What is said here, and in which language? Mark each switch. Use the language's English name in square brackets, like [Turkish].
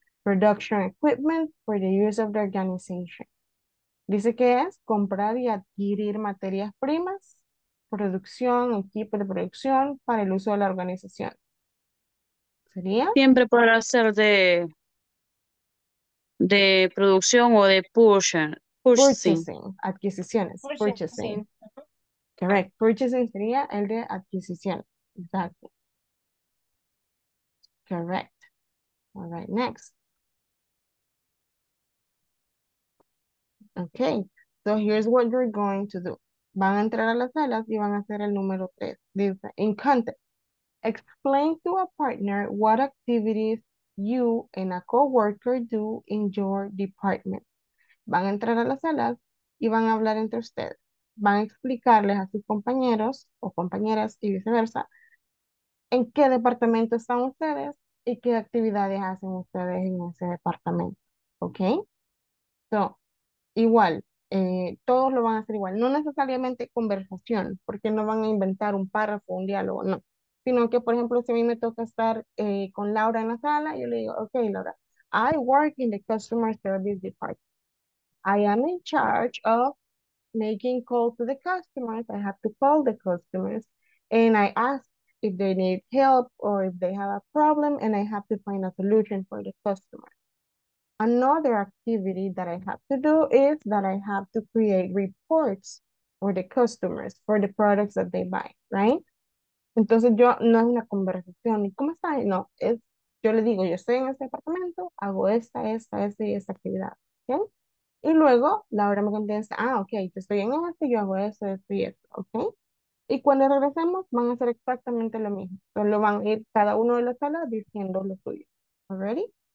[English] Production equipment for the use of the organization. [Spanish] Dice que es comprar y adquirir materias primas, producción, equipo de producción para el uso de la organización. ¿Sería? Siempre para hacer de producción o de purchasing. [English] Purchasing, adquisiciones, purchasing. Purchasing. [Spanish] Correct, purchasing sería el de adquisición. Exacto. [English] Correct. All right, next. Okay, so here's what you're going to do. [Spanish] Van a entrar a las salas y van a hacer el número 3. [English] Dice, in context, explain to a partner what activities you and a coworker do in your department. [Spanish] Van a entrar a las salas y van a hablar entre ustedes. Van a explicarles a sus compañeros o compañeras y viceversa en qué departamento están ustedes y qué actividades hacen ustedes en ese departamento. Okay, so. Igual, todos lo van a hacer igual, no necesariamente conversación, porque no van a inventar un párrafo, un diálogo, no, sino que, por ejemplo, si a mí me toca estar con Laura en la sala, yo le digo, ok, Laura, [English] I work in the customer service department. I am in charge of making calls to the customers. I have to call the customers and I ask if they need help or if they have a problem and I have to find a solution for the customer. Another activity that I have to do is that I have to create reports for the customers for the products that they buy, right? [Spanish] Entonces yo no es una conversación, ni cómo está, no, es, yo le digo, yo estoy en este departamento, hago esta y esta actividad, ¿okay? Y luego Laura me contesta, ah, ok, yo estoy en este, yo hago esto y esto, ¿ok? Y cuando regresemos van a hacer exactamente lo mismo, solo van a ir cada uno de las salas diciendo lo suyo, ¿alrighty?